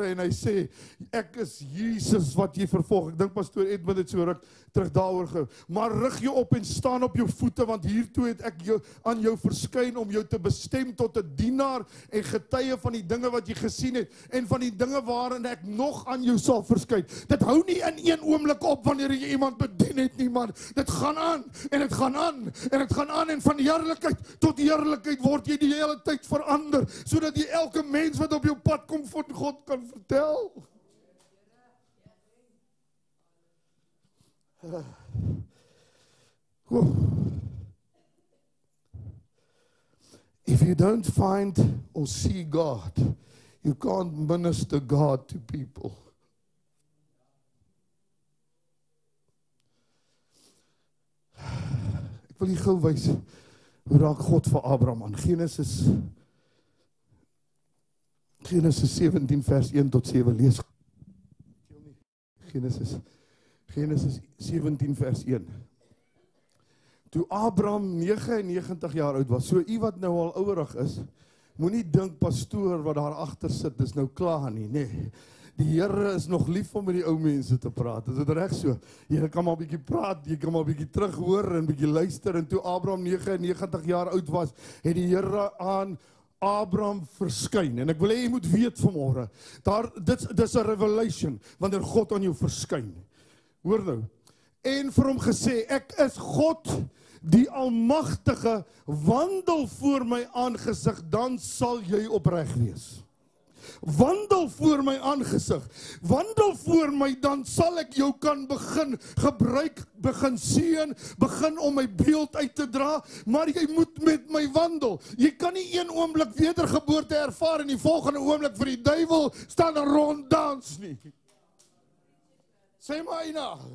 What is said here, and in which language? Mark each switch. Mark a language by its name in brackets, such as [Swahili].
[Afrikaans] En hy sê, ek is Jesus wat jy vervolg. Ek dink pastoor Edmund het so ruk terug daaroor ge. Maar rig jou op en staan op jou voete, want hiertoe het ek jou aan jou verskyn om jou te bestem tot 'n dienaar en getuie van die dinge wat jy gesien het en van die dinge waarin ek nog aan jou sal verskyn. Dit hou nie in een oomblik op wanneer jy iemand bedien het nie, man. Dit gaan aan en dit gaan aan en dit gaan aan en van heerlikheid tot heerlikheid word jy die hele tyd verander, sodat jy elke mens wat op jou pad kom voor God kan vertel. [English] If you don't find or see God, you can't minister God to people. [Afrikaans] Ek wil jy gauw wys hoe raak God vir Abraham aan. Genesis 17 vers 1 tot 7, lees. Genesis 17 vers 1. Toe Abraham 99 jaar oud was, so u wat nou al ouerig is, moet nie dink pastoor wat daar achter sit, is nou klaar nie, nee. Die Here is nog lief om met die ou mense te praat, is dit reg so? Jy kan maar bietjie praat, jy kan maar bietjie terughoor en bietjie luister, en toe Abraham 99 jaar oud was, het die Here aan Abraham verskyn, en ek wil hê jy moet weet vanmôre, dis 'n revelation, wanneer God aan jou verskyn. Hoor nou, en vir hom gesê, ek is God, die Almagtige, wandel voor my aangesig, dan sal jy opreg wees. Wandel voor my aangesig, wandel voor my, dan sal ek jou kan begin gebruik, begin seën, begin om my beeld uit te dra, maar jy moet met my wandel. Jy kan nie een oomblik wedergeboorte ervaar en die volgende oomblik vir die duivel staan en ronddans nie. Sê my na.